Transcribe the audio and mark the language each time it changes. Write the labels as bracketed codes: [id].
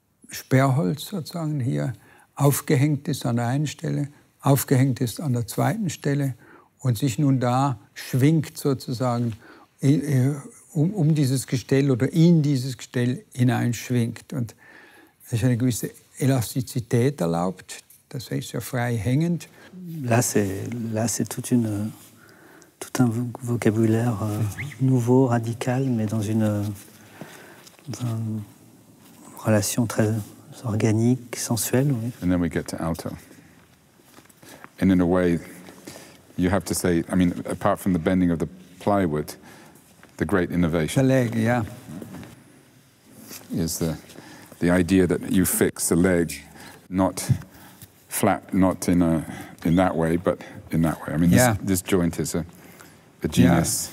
[de] Sperrholz sozusagen hier aufgehängt ist an der einen Stelle, aufgehängt ist an der zweiten Stelle und sich nun da schwingt sozusagen um dieses Gestell oder in dieses Gestell hineinschwingt. Und es ist eine gewisse Elastizität erlaubt, das heißt ja frei hängend. [fr] Là, c'est toute une, tout un vocabulaire nouveau, radical, mais dans une relation très organique, sensuelle. Oui. [en] And then we get to alto. And in a way, you have to say, I mean, apart from the bending of the plywood, the great innovation. The leg, yeah. Is the idea that you fix the leg, not flat, not in a in that way, but in that way. I mean, this joint is a genius.